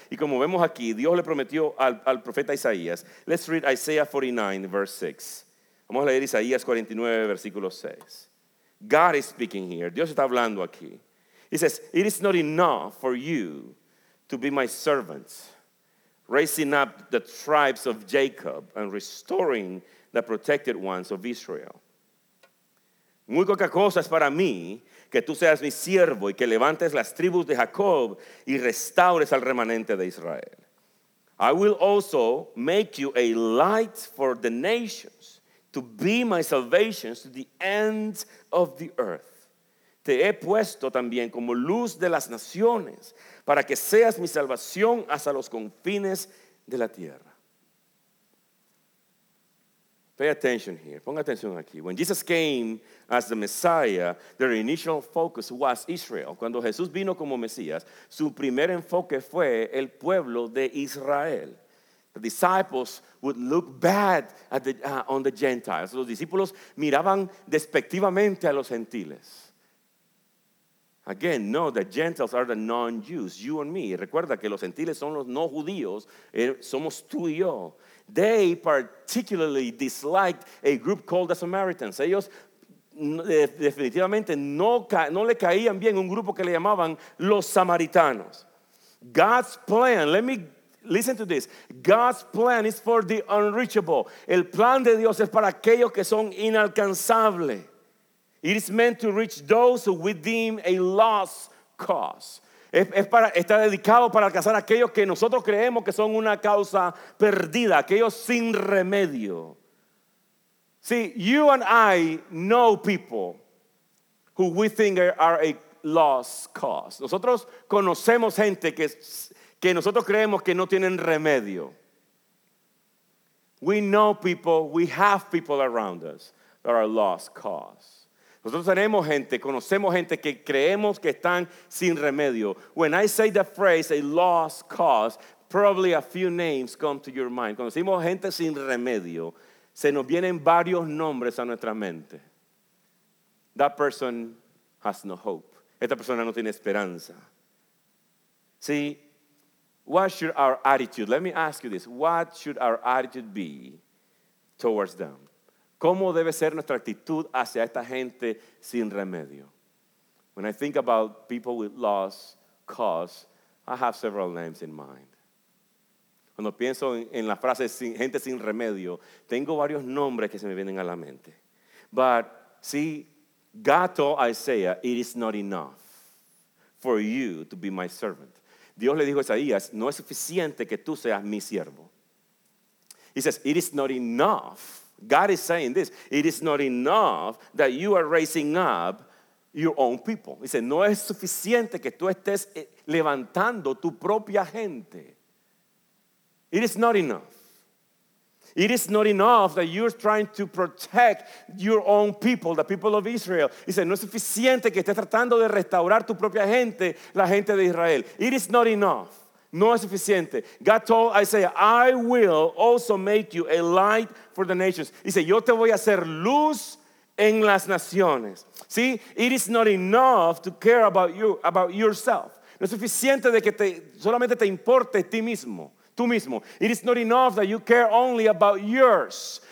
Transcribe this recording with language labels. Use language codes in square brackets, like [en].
[es] Y como vemos aquí, Dios le prometió al profeta Isaías. [en] Let's read Isaiah 49, verse 6. [es] Vamos a leer Isaías 49, versículo 6. [en] God is speaking here. [es] Dios está hablando aquí. [en] He says, it is not enough for you to be my servants, raising up the tribes of Jacob and restoring the protected ones of Israel. [es] Muy poca cosa es para mí que tú seas mi siervo y que levantes las tribus de Jacob y restaures al remanente de Israel. [en] I will also make you a light for the nations to be my salvation to the end of the earth. [es] Te he puesto también como luz de las naciones para que seas mi salvación hasta los confines de la tierra. [en] Pay attention here. [es] Ponga atención aquí. [en] When Jesus came as the Messiah, their initial focus was Israel. [es] Cuando Jesús vino como Mesías, su primer enfoque fue el pueblo de Israel. [en] The disciples would look bad at the, on the Gentiles. [es] Los discípulos miraban despectivamente a los gentiles. [en] Again, know that Gentiles are the non-Jews, you and me. [es] Recuerda que los gentiles son los no judíos, somos tú y yo. [en] They particularly disliked a group called the Samaritans. [es] Ellos definitivamente no le caían bien un grupo que le llamaban los samaritanos. [en] God's plan, listen to this. God's plan is for the unreachable. [es] El plan de Dios es para aquellos que son inalcanzables. [en] It is meant to reach those who we deem a lost cause. [es] Está dedicado para alcanzar a aquellos que nosotros creemos que son una causa perdida, aquellos sin remedio. [en] See, you and I know people who we think are a lost cause. [es] Nosotros conocemos gente que nosotros creemos que no tienen remedio. [en] We know people, we have people around us that are lost cause. [es] Nosotros tenemos gente, conocemos gente que creemos que están sin remedio. [en] When I say the phrase, a lost cause, probably a few names come to your mind. [es] Cuando decimos gente sin remedio, se nos vienen varios nombres a nuestra mente. [en] That person has no hope. [es] Esta persona no tiene esperanza. [en] See, what should our attitude, let me ask you this, what should our attitude be towards them? [es] ¿Cómo debe ser nuestra actitud hacia esta gente sin remedio? [en] When I think about people with lost cause, I have several names in mind. [es] Cuando pienso en la frase gente sin remedio, tengo varios nombres que se me vienen a la mente. [en] But see, God told Isaiah, it is not enough for you to be my servant. [es] Dios le dijo a Isaías, no es suficiente que tú seas mi siervo. [en] He says, it is not enough. God is saying this, it is not enough that you are raising up your own people. He said, [es] no es suficiente que tú estés levantando tu propia gente. [en] It is not enough. It is not enough that you're trying to protect your own people, the people of Israel. He said, [es] no es suficiente que estés tratando de restaurar tu propia gente, la gente de Israel. [en] It is not enough. [es] No es suficiente. [en] God told Isaiah, I will also make you a light for the nations. [es] Dice, yo te voy a hacer luz en las naciones. [en] See, it is not enough to care about you, about yourself. [es] No es suficiente de que solamente te importe ti mismo, tú mismo. [en] It is not enough that you care only about yours.